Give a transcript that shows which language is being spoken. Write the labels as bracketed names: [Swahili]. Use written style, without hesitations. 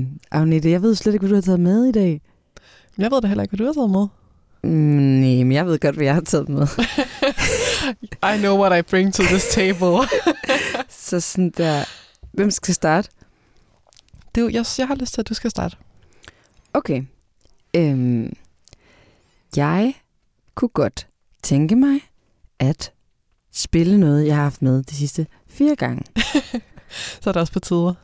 [Danish] Agnete, jeg ved slet ikke, hvad du har taget med i dag. Jeg ved da heller ikke, hvad du har taget med. Nej, men jeg ved godt, hvad jeg har taget med. [English] I know what I bring to this table. [Danish] Så sådan der. Hvem skal starte? Du, jeg har lyst til, at du skal starte. Okay. Jeg kunne godt tænke mig at spille noget, jeg har haft med de sidste 4 gange. Så er det også på tide.